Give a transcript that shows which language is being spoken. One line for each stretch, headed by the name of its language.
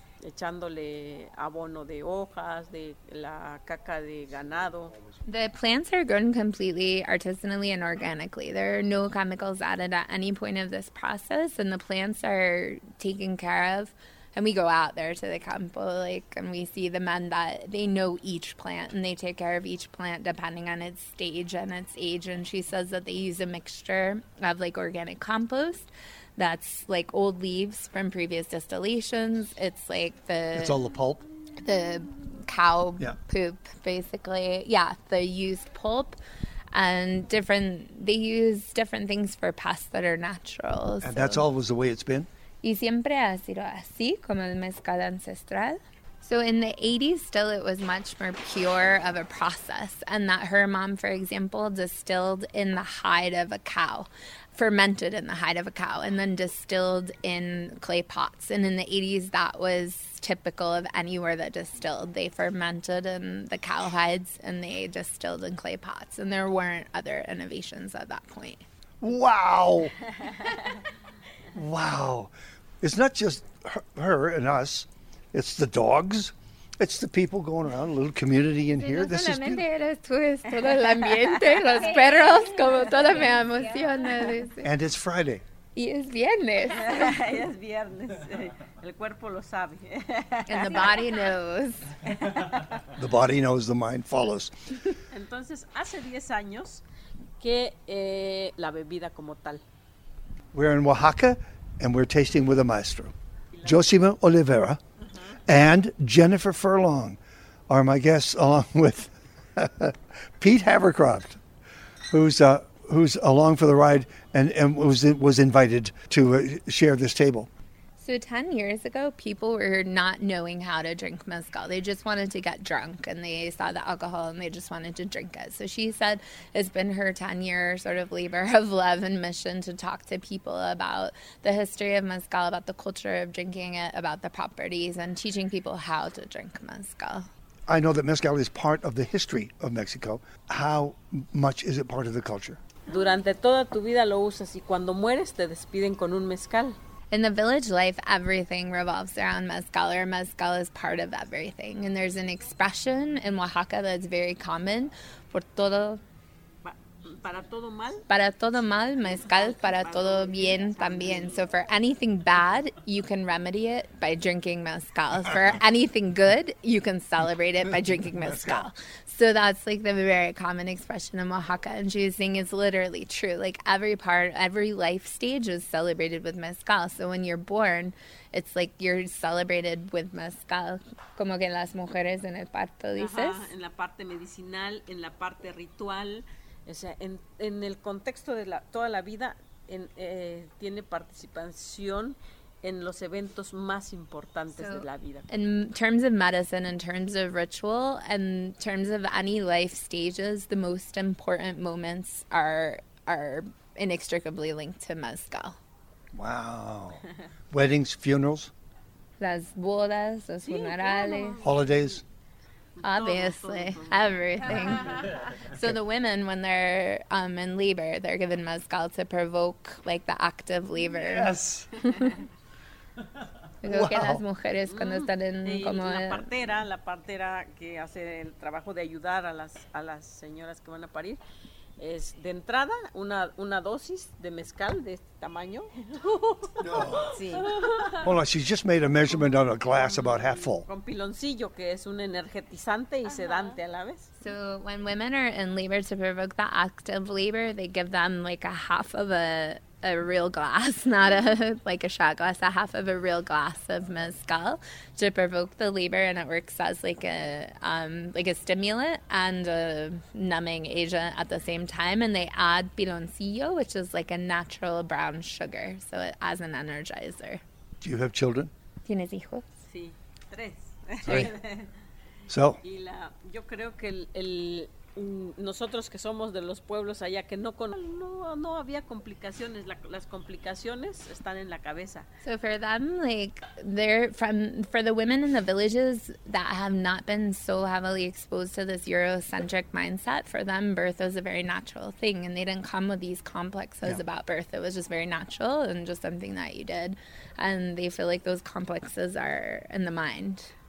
Spanish: echándole abono de hojas, de la caca de ganado.
English: The plants are grown completely artisanally and organically. There are no chemicals added at any point of this process, and the plants are taken care of. And we go out there to the campo, like, and we see the men that they know each plant, and they take care of each plant depending on its stage and its age. And she says that they use a mixture of like organic compost. That's like old leaves from previous distillations. It's like the... It's all the pulp? The cow poop, basically. Yeah, the used pulp. And different... They use different things for pests that are natural. And so. That's always the way it's been?
Spanish: Y siempre ha sido así, como el mezcal ancestral.
English: So in the 80s, still, it was much more pure of a process. And that her mom, for example, distilled in the hide of a cow. Fermented in the hide of a cow and then distilled in clay pots. And in the 80s, that was typical of anywhere that distilled. They fermented in the cow hides and they distilled in clay pots. And there weren't other innovations at that point. Wow. Wow. It's not just her and us. It's the dogs. It's the people going around, a little community in here. This is
Spanish: ambiente, los perros, como toda me emociona.
English: And it's Friday.
Spanish: Y es viernes. Es viernes. El cuerpo lo sabe.
English: And the body knows. The body knows, the mind follows.
Spanish: Entonces, hace 10 años que la bebida como tal.
English: We're in Oaxaca, and we're tasting with a maestro. Josima Oliveira. And Jennifer Furlong are my guests, along with Pete Havercroft, who's along for the ride and was invited to share this table. So 10 years ago, people were not knowing how to drink mezcal. They just wanted to get drunk, and they saw the alcohol, and they just wanted to drink it. So she said it's been her 10-year sort of labor of love and mission to talk to people about the history of mezcal, about the culture of drinking it, about the properties, and teaching people how to drink mezcal. I know that mezcal is part of the history of Mexico. How much is it part of the culture?
Spanish: Durante toda tu vida lo usas, y cuando mueres te despiden con un mezcal.
English: In the village life, everything revolves around mezcal, or mezcal is part of everything. And there's an expression in Oaxaca that's very common,
Spanish: por todo... Para todo mal, mezcal, para todo bien también.
English: So for anything bad, you can remedy it by drinking mezcal. For anything good, you can celebrate it by drinking mezcal. So that's like the very common expression in Oaxaca. And she's saying it's literally true. Like every part, every life stage is celebrated with mezcal. So when you're born, it's like you're celebrated with mezcal.
Spanish: Como que las mujeres en el parto, dices. Ajá, en la parte medicinal, en la parte ritual. O sea, en el contexto de toda la vida, tiene participación en los eventos más importantes de la vida.
English: In terms of medicine, in terms of ritual, in terms of any life stages, the most important moments are inextricably linked to mezcal. Wow. Weddings, funerals?
Spanish: Las bodas, los funerales.
English: Holidays? Obviously, everything. So the women, when they're in labor, they're given mezcal to provoke, like, the act of labor. Yes.
Spanish: Creo que las mujeres cuando están en como... La partera que hace el trabajo de ayudar a las señoras que van a parir, es de entrada una dosis de mezcal de este tamaño. No. Sí.
English: Hold on, she's just made a measurement on a glass about half full.
Spanish: Con piloncillo, que es un energetizante y sedante a la vez.
English: So when women are in labor, to provoke the act of labor, they give them like a half of a real glass, not a like a shot glass, a half of a real glass of mezcal to provoke the labor, and it works as like a stimulant and a numbing agent at the same time. And they add piloncillo, which is like a natural brown sugar, so it as an energizer. Do you have children?
Spanish: ¿Tienes hijos? Sí, tres.
English: Right. So?
Spanish: Y la, yo creo que el nosotros que somos de los pueblos allá, que no había complicaciones, las complicaciones están en la cabeza.
English: So for them, like, they're for the women in the villages that have not been so heavily exposed to this Eurocentric mindset, for them, birth was a very natural thing, and they didn't come with these complexes about birth. It was just very natural and just something that you did, and they feel like those complexes are in the mind.